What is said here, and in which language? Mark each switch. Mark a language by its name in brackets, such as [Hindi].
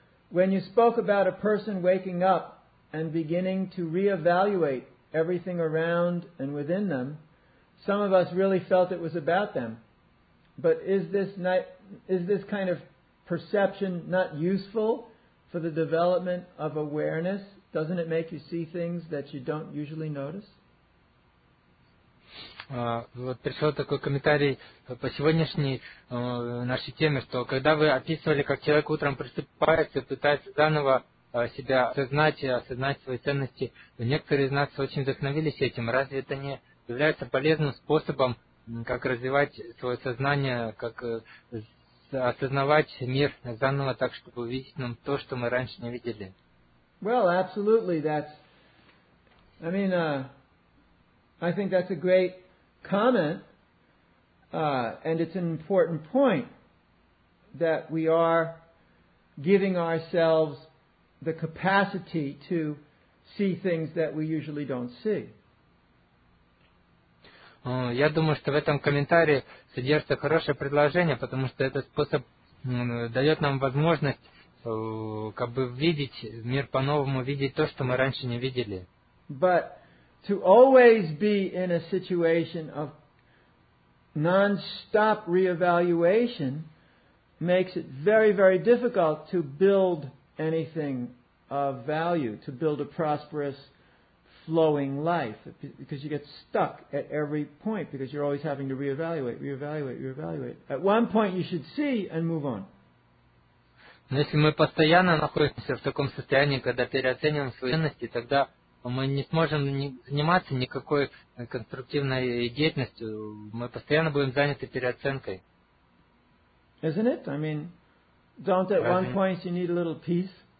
[English] When you spoke about a person waking up and beginning to reevaluate everything around and within them, some of us really felt it was about them. But is this kind of perception not useful for the development of awareness? Doesn't it make you see things that you don't usually notice? [Russian] Вот пришел такой комментарий по сегодняшней нашей теме, что когда вы описывали, как человек утром просыпается, пытается заново себя осознать и осознать свои ценности, некоторые из нас очень вдохновились этим. Разве это не является полезным способом, как развивать свое сознание, как осознавать мир заново так, чтобы увидеть нам то, что мы раньше не видели? [English] Well, absolutely. I think that's a great comment, and it's an important point that we are giving ourselves the capacity to see things that we usually don't see. [Russian] Я думаю, что в этом комментарии содержится хорошее предложение, потому что этот способ дает нам возможность как бы видеть мир по-новому, видеть то, что мы раньше не видели. [English] But to always be in a situation of non-stop reevaluation makes it very, very difficult to build anything of value, to build a prosperous, flowing life, because you get stuck at every point, because you're always having to reevaluate. At one point you should see and move on. [Russian] Но если мы постоянно находимся в таком состоянии, когда переоцениваем свои ценности, тогда мы не сможем заниматься никакой конструктивной деятельностью. Мы постоянно будем заняты переоценкой. [English] Isn't it? I mean, don't at one point you need a little peace?